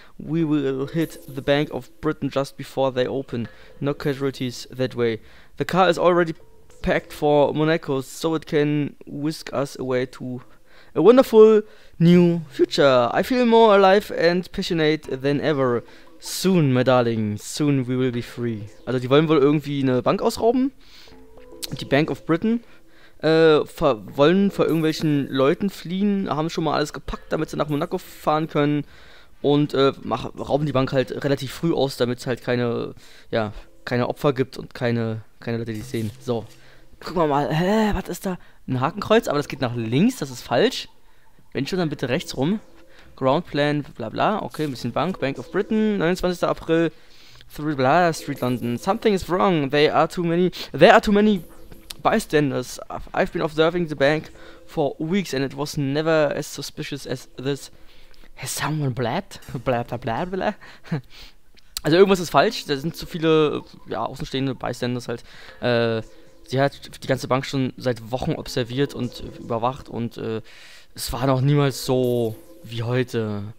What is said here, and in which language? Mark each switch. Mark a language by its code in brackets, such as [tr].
[en] We will hit the Bank of Britain just before they open. No casualties that way. The car is already packed for Monaco, so it can whisk us away to a wonderful new future. I feel more alive and passionate than ever. Soon, my darling, soon we will be free. [de] Also die wollen wohl irgendwie eine Bank ausrauben. Die Bank of Britain. Wollen vor irgendwelchen Leuten fliehen. Haben schon mal alles gepackt, damit sie nach Monaco fahren können. Und rauben die Bank halt relativ früh aus, damit es halt keine, ja, keine Opfer gibt und keine Leute, die sehen. So, gucken wir mal. Was ist da? Ein Hakenkreuz, aber das geht nach links, das ist falsch. Wenn schon, dann bitte rechts rum. Ground Plan, bla bla, okay, ein bisschen Bank. Bank of Britain, 29. April, 3 bla, Street London. [en] Something is wrong, there are too many bystanders. I've been observing the bank for weeks and it was never as suspicious as this. Has someone bled? Bla bla bla bla. [de] Also irgendwas ist falsch, da sind zu viele, ja, außenstehende Bystanders halt, sie hat die ganze Bank schon seit Wochen observiert und überwacht und es war noch niemals so wie heute.